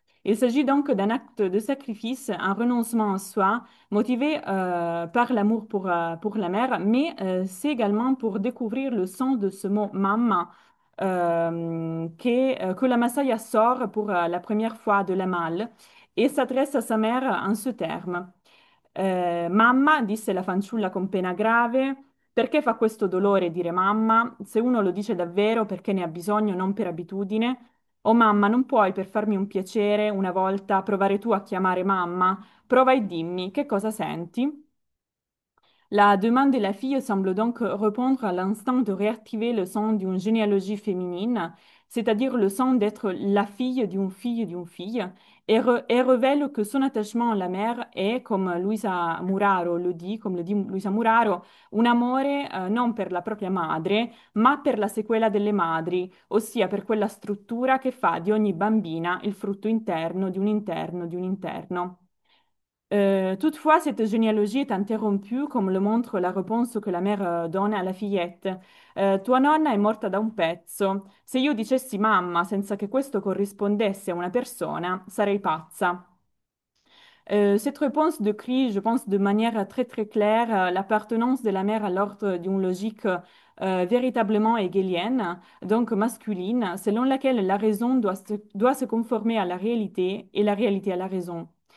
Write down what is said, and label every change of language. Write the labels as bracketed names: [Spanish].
[French] Il s'agit donc d'un acte de sacrifice, un renoncement en soi, motivé par l'amour pour la mère, mais c'est également pour découvrir le sens de ce mot « mamma » que la Massaia sort pour la première fois de la malle et s'adresse à sa mère en ce terme. [Italian] Mamma, disse la fanciulla con pena grave, perché fa questo dolore dire mamma? Se uno lo dice davvero perché ne ha bisogno, non per abitudine. O mamma, non puoi per farmi un piacere una volta provare tu a chiamare mamma? Prova e dimmi che cosa senti? La domanda della figlia sembra [French] donc répondre à l'instinct de réactiver le son d'une généalogie féminine. C'est-à-dire le sens d'être la fille d'une fille d'une fille, et révèle que son attachement à la mère est, comme Luisa Muraro le dit, comme le dit Luisa Muraro, [Italian] un amore non per la propria madre, ma per la sequela delle madri, ossia per quella struttura che fa di ogni bambina il frutto interno di un interno [French] di un interno. Toutefois, cette généalogie est interrompue, comme le montre la réponse [Italian] che [French] la mère donne [Italian] alla [French] fillette. [Italian] Tua nonna è morta da un pezzo. Se io dicessi mamma senza che questo corrispondesse a una persona, sarei pazza. [French] Cette réponse décrit, je pense, de manière très très claire l'appartenance de la mère à l'ordre d'une logique véritablement hégélienne, donc masculine, selon laquelle la raison doit se conformer à la réalité et la réalité à la raison.